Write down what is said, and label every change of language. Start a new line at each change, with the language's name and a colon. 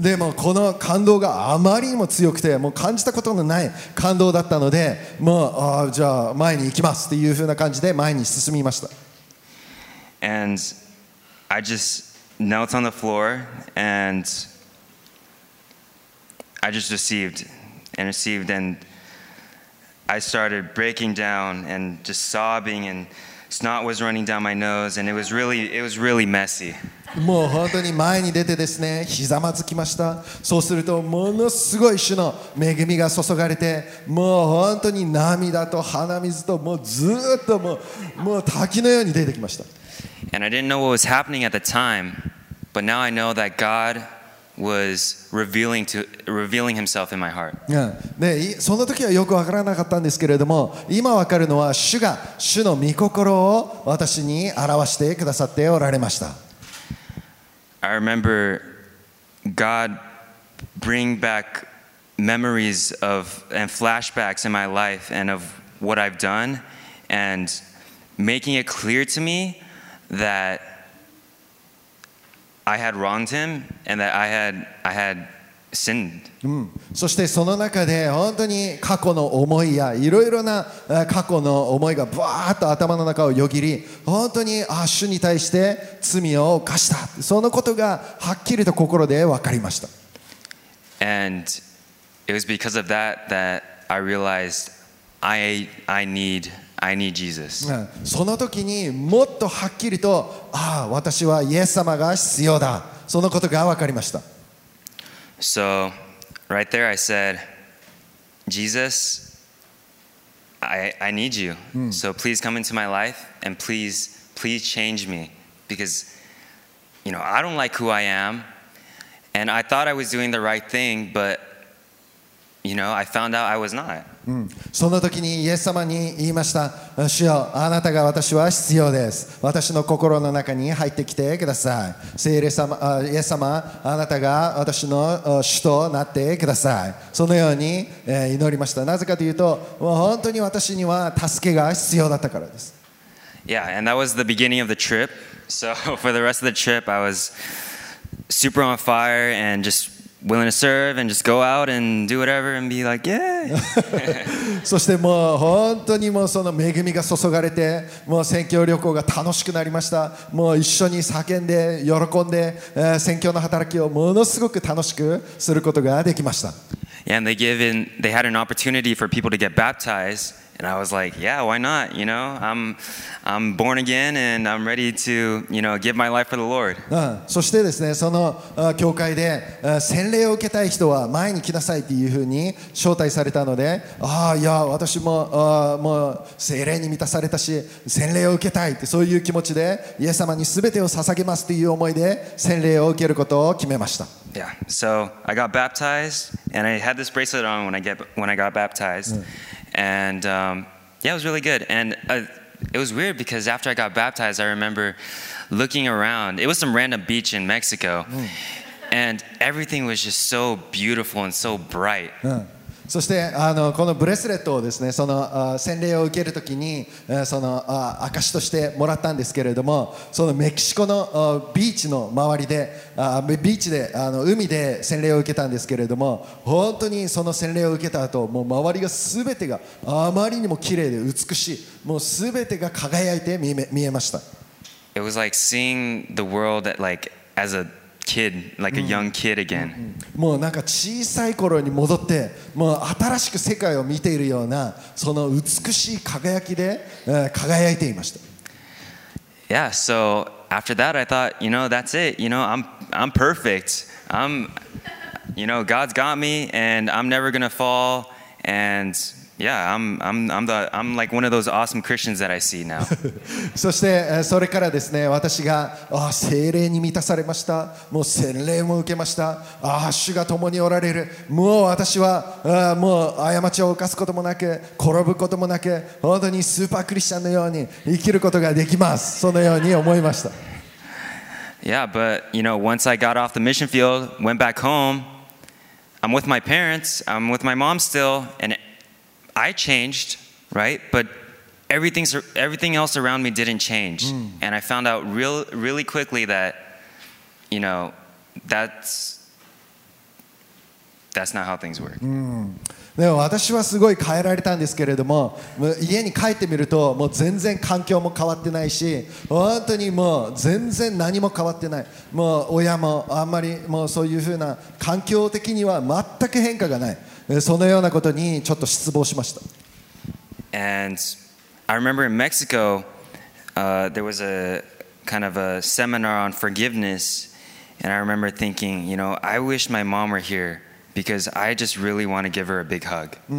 Japanese: でもこの感動があまりにも強くて、もう感じたことのない感動だったので、もうじゃあ前に行きますっていう風な感じで前に進みました。
English: And I just knelt on the floor and I just received and I started breaking down and just sobbing and Snot was running down my nose, and it was really messy.
Japanese: もう本当に前に出てですね、ひざまずきました。そうするとものすごい種の恵みが注がれて、もう本当に涙と鼻水ともうずっともう滝のように出てきました。
English: And I didn't know what was happening at the time, but now I know that God was revealing himself in my heart. Yeah.
Japanese: ね、その時はよくわからなかったんですけれども、今わかるのは主が主の御心を私に表してくださっておられました。
English: I remember God bring back memories of and flashbacks in my life and of what I've done and making it clear to me that I had wronged him and that I had sinned.
Japanese: そしてその中で本当に過去の思いやいろいろな過去の思いがバーッと頭の中をよぎり、本当に主に対して罪を犯した、そのことがはっきりと心で分かりました。
English: And it was because of that that I realized I need Jesus.
Japanese: その時にもっとはっきりと、ああ私はイエス様が必要だ、そのことが分かりました。
English: SoRight there, I said, Jesus, I need you. So please come into my life and please change me. Because, you know, I don't like who I am. And I thought I was doing the right thing, but, you know, I found out I was not.
Japanese: その時にイエス様に言いました。主よ、あなたが私は必要です。私の心の中に入ってきてください。聖霊様、イエス様、あなたが私の主となってください。そのように祈りました。なぜかというと、本当に私には助けが必要だったからです。
English: Yeah, and that was the beginning of the trip. So for the rest of the trip, I was super on fire and justWilling to serve and just go out and do whatever and be like, yay!
Japanese: そしてもう本当にもうその恵みが注がれて、もう宣教旅行が楽しくなりました。もう一緒に叫んで喜んで、宣教の働きをものすごく楽しくすることができました。
English: Yeah, and they had an opportunity for people to get baptized, and I was like, yeah, why not? You know, I'm born again and I'm ready to, you know, give my life for the Lord.
Japanese: そしてですね、その教会で洗礼を受けたい人は前に来なさいというふうに招待されたので、私も、もう聖霊に満たされたし、洗礼を受けたいって、そういう気持ちで、イエス様に全てを捧げますという思いで洗礼を受けることを決めました。
English: Yeah, so I got baptized and I had this bracelet on when I got baptized. And yeah, it was really good. And it was weird because after I got baptized, I remember looking around. It was some random beach in Mexico. And everything was just so beautiful and so bright.
Japanese: そしてこのブレスレットをですね、その洗礼を受けるときに、その証しとしてもらったんですけれども、そのメキシコのビーチの周りで、ビーチで海で洗礼を受けたんですけれども、本当にその洗礼を受けた後、もう周りが全てがあまりにも綺麗で美しい、もう全てが輝いて見えました。
English: It was like seeing the world that like as aKid, like a young kid again.
Japanese: もうなんか小さい頃に戻って、もう新しく世界を見ているような、その美しい輝きで輝いていました。
English: Yeah, so after that, I thought, you know, that's it. You know, I'm perfect. I'm, you know, God's got me, and I'm never gonna fall. And yeah, I'm like one of those awesome Christians that I see now.
Japanese: そしてそれからですね、私が聖霊に満たされました。もう洗礼も受けました。主が共におられる。もう私はもう過ちを犯すこともなく、転ぶこともなく、本当にスーパークリスチャンのように生きることができます。そのように思いました。
English: Yeah, but you know, once I got off the mission field, went back home, I'm with my parents, I'm with my mom still, and I changed, right? But everything else around me didn't change. And I found out really quickly that, you know, that's not how things work.
Japanese: でも私はすごい変えられたんですけれども、家に帰ってみると、もう全然環境も変わってないし、本当にもう全然何も変わってない、もう親もあんまりもうそういうふうな環境的には全く変化がない、そのようなことにちょっと失望しました。
English: And I remember in Mexico, there was a kind of a seminar on forgiveness, and I remember thinking, you know, I wish my mom were here because I just really want to give her a big hug.